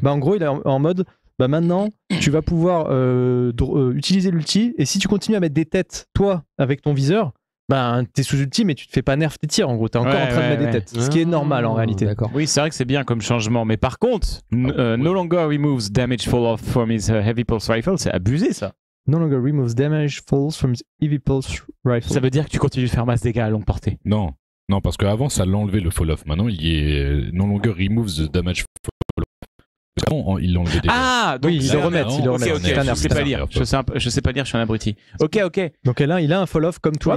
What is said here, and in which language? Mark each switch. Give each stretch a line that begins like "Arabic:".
French: Bah en gros, il est en mode... Bah maintenant, tu vas pouvoir utiliser l'ulti et si tu continues à mettre des têtes, toi, avec ton viseur, bah t'es sous ulti mais tu te fais pas nerf tes tirs en gros, t'es encore en train de mettre des têtes, ce qui est normal en réalité. D'accord. Oui, c'est vrai que c'est bien comme changement, mais par contre,
English: no longer removes damage fall off from his heavy pulse rifle,
French: c'est abusé ça.
English: No longer removes damage falls from his heavy pulse rifle.
French: Ça veut dire que tu continues de faire masse dégâts à longue portée. Non, non parce qu'avant ça l'enlevait le fall off, maintenant il y est
English: no longer removes the damage fall off.
French: non, ils l'ont enlevé déjà. Ah, donc oui, ils le remettent. Okay, je sais pas lire, je suis un abruti. Ok. Donc là, il a un fall-off comme toi.